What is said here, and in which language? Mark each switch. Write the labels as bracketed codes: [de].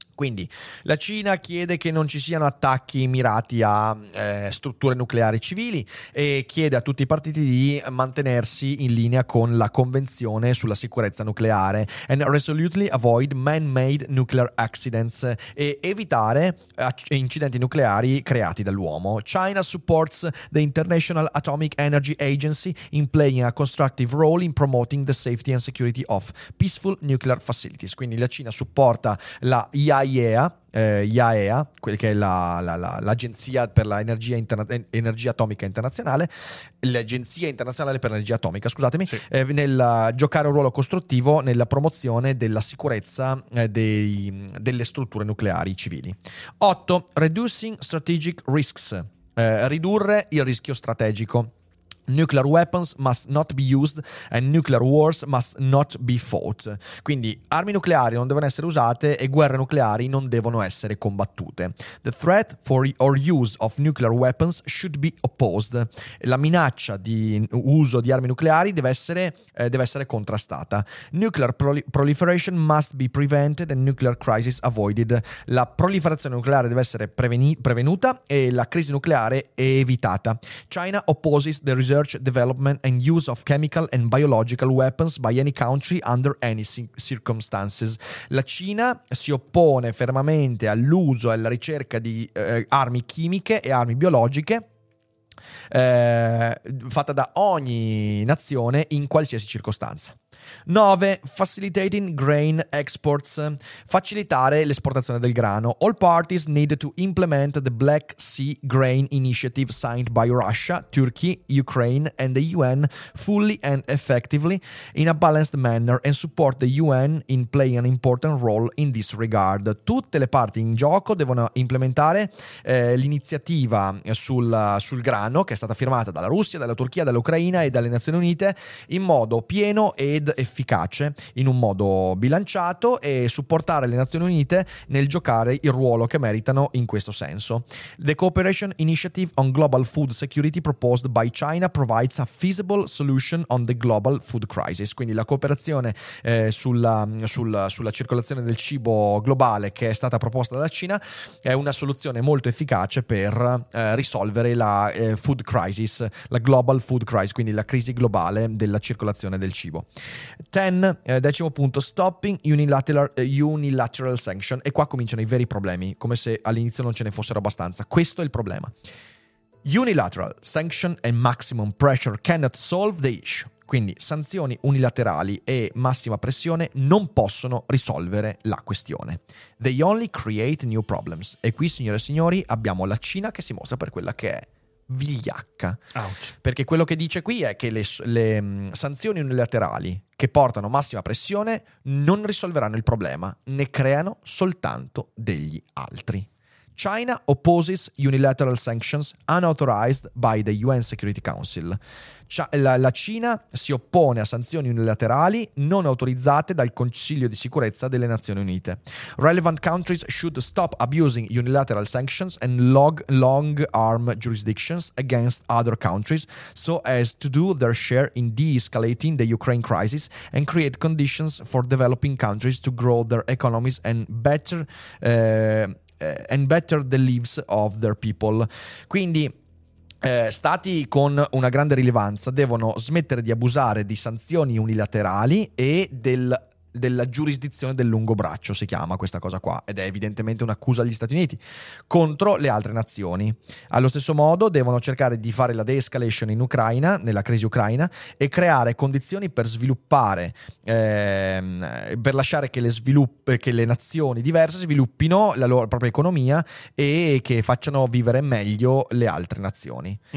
[it] Quindi la Cina chiede che non ci siano attacchi mirati a strutture nucleari civili e chiede a tutti i partiti di mantenersi in linea con la Convenzione sulla sicurezza nucleare [en] and resolutely avoid man-made nuclear accidents [it] e evitare incidenti nucleari creati dall'uomo. [en] China supports the International Atomic Energy Agency in playing a constructive role in promoting the safety and security of peaceful nuclear facilities. [it] Quindi la Cina supporta la IAEA, quel che è l'agenzia per l'energia energia atomica internazionale, l'agenzia internazionale per l'energia atomica, scusatemi, sì, nel giocare un ruolo costruttivo nella promozione della sicurezza delle strutture nucleari civili. 8. [en] Reducing strategic risks, [it] ridurre il rischio strategico. [en] Nuclear weapons must not be used and nuclear wars must not be fought. [it] Quindi armi nucleari non devono essere usate e guerre nucleari non devono essere combattute. [en] The threat for or use of nuclear weapons should be opposed. [it] La minaccia di uso di armi nucleari deve essere contrastata. [en] Nuclear proliferation must be prevented and nuclear crisis avoided. [it] La proliferazione nucleare deve essere prevenuta e la crisi nucleare è evitata. [en] China opposes the research, development and use of chemical and biological weapons by any country under any circumstances. [it] La Cina si oppone fermamente all'uso e alla ricerca di armi chimiche e armi biologiche fatta da ogni nazione in qualsiasi circostanza. 9. [en] Facilitating grain exports. [it] Facilitare l'esportazione del grano. [en] All parties need to implement the Black Sea Grain Initiative signed by Russia, Turkey, Ukraine and the UN fully and effectively in a balanced manner and support the UN in playing an important role in this regard. [it] Tutte le parti in gioco devono implementare l'iniziativa sul grano che è stata firmata dalla Russia, dalla Turchia, dall'Ucraina e dalle Nazioni Unite in modo pieno ed efficace, in un modo bilanciato e supportare le Nazioni Unite nel giocare il ruolo che meritano in questo senso. [en] The Cooperation Initiative on Global Food Security proposed by China provides a feasible solution on the global food crisis. [it] Quindi la cooperazione sulla circolazione del cibo globale che è stata proposta dalla Cina è una soluzione molto efficace per risolvere la [en] food crisis, [it] la [en] global food crisis, [it] quindi la crisi globale della circolazione del cibo. 10. Decimo punto, [en] stopping unilateral sanction. [it] E qua cominciano i veri problemi, come se all'inizio non ce ne fossero abbastanza. Questo è il problema. [en] Unilateral sanction and maximum pressure cannot solve the issue. [it] Quindi sanzioni unilaterali e massima pressione non possono risolvere la questione. [en] They only create new problems. [it] E qui, signore e signori, abbiamo la Cina che si mostra per quella che è. Vigliacca. [en] Ouch. [it] Perché quello che dice qui è che le sanzioni unilaterali che portano massima pressione non risolveranno il problema, ne creano soltanto degli altri. [en] China opposes unilateral sanctions unauthorized by the UN Security Council. [it] La Cina si oppone a sanzioni unilaterali non autorizzate dal Consiglio di Sicurezza delle Nazioni Unite. [en] Relevant countries should stop abusing unilateral sanctions and long arm jurisdictions against other countries so as to do their share in de-escalating the Ukraine crisis and create conditions for developing countries to grow their economies and better the lives of their people. [it] Quindi stati con una grande rilevanza devono smettere di abusare di sanzioni unilaterali e della giurisdizione del lungo braccio, si chiama questa cosa qua, ed è evidentemente un'accusa agli Stati Uniti contro le altre nazioni. Allo stesso modo devono cercare di fare la de-escalation in Ucraina, nella crisi ucraina, e creare condizioni per sviluppare per lasciare che le nazioni diverse sviluppino la loro propria economia e che facciano vivere meglio le altre nazioni.